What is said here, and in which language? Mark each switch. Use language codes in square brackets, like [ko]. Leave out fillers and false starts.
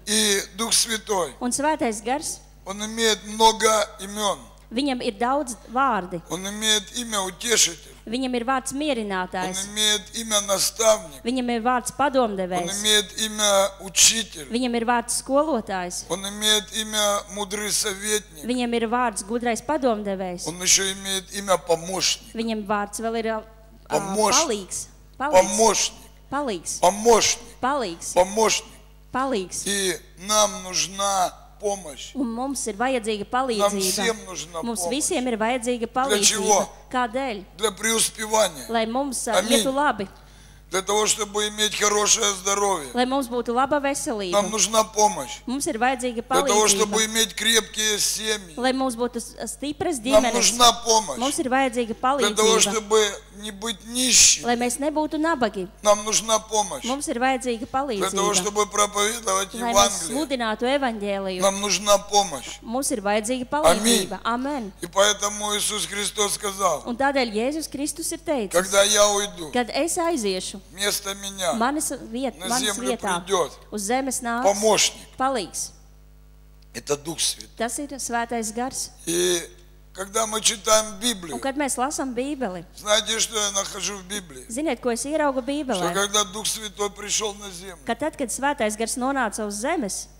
[ru] И Дух Святой. [lv] Un Svētais Gars. [ru] Он имеет много имён. [lv] Viņam ir daudz vārdi. [ru] Он имеет имя утешитель. [lv] Viņam ir vārds mierinātājs. [ru] Он имеет имя наставник. [lv] Viņam ir vārds padomdevējs. [ru] Он имеет имя учитель. [lv] Viņam ir vārds skolotājs. [ru] Он имеет имя мудрый советник. [lv] Viņam ir vārds gudrais padomdevējs. [ru] Он ещё имеет имя помощник. [lv] Viņam vārds vēl ir palīgs. [ru] Помощник. [lv] Palīgs. [ru] Помощник. [lv] Palīgs. [ru] Помощник. [lv] Palīgs. [ru] И нам нужна помощь. [lv] Un mums ir vajadzīga palīdzība. Mums [ru] помощь. [lv] Visiem ir vajadzīga palīdzība. Kādēļ? [ru] Для преуспевания. [lv] Lai mums būtu labi. [ru] Для того, чтобы иметь хорошее здоровье. [lv] Lai mums būtu laba veselība. [ru] Нам нужна помощь. [lv] Mums ir vajadzīga palīdzība. [ru] Для того, чтобы иметь крепкие семьи. [lv] Lai mums būtu stipras ģimenes. [ru] Нам нужна помощь. [lv] Mums ir vajadzīga palīdzība. [ru] Для того, чтобы не быть нищими. [lv] Lai mēs nebūtu nabagi. [ru] Нам нужна помощь. [lv] Mums ir vajadzīga palīdzība. [ru] Для того, чтобы проповедовать Евангелие. [lv] Lai mēs sludinātu evaņģēliju. [ru] Нам нужна помощь. [lv] Mums ir vajadzīga palīdzība. Amen. [ru] И поэтому Иисус Христос сказал. [lv] Un tādēļ Jēzus Kristus ir teicis. [ru] Когда я уйду. [lv] Kad es aiziešu. [ru] Место меня. [lv] Manas vieta, [ru] на землю vietā, придет. [lv] Uz zemes nāks. [ru] Помощник. [lv] Palīgs. [ru] Это Дух Святой. [lv] Tas ir Svētais Gars. [ru] И когда мы читаем Библию. [lv] Un kad mēs lasam Bībeli. [ru] Знаете, что я нахожу в Библии? [lv] Ziniet, ko es ieraugu Bībelē? [ru] Что когда Дух Святой пришел на землю. [lv] Kad tad, kad Svētais Gars nonāca uz zemes.